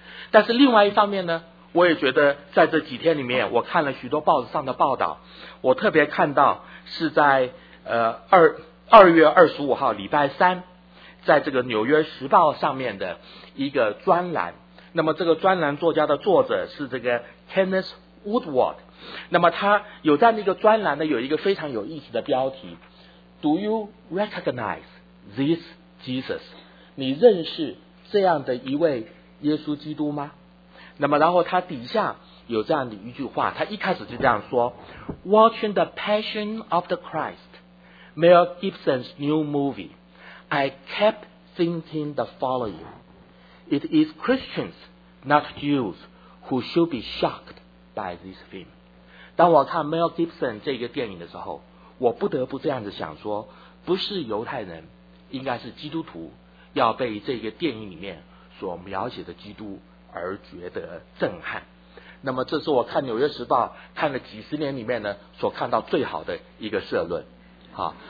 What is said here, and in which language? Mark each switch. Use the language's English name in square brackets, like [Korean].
[Chinese] 但是另外一方面呢，我也觉得在这几天里面我看了许多报纸上的报道，我特别看到是在2月25号礼拜三，在这个纽约时报上面的一个专栏。那么这个专栏作家的作者是这个 Kenneth Woodward， 那么他有这样的一个专栏呢，有一个非常有意思的标题 [English] Do you recognize this Jesus？ [Chinese] 你认识这样的一位耶稣基督吗？那么然后他底下有这样的一句话，他一开始就这样说 [English] Watching the Passion of the Christ， Mel Gibson's new movie， I kept thinking the following， It is Christians not Jews who should be shocked by this film。 [Chinese] 当我看 Mel Gibson 这个电影的时候，我不得不这样子想说，不是犹太人，应该是基督徒要被这个电影里面所描写的基督而觉得震撼。那么这是我看纽约时报看了几十年里面呢所看到最好的一个社论啊。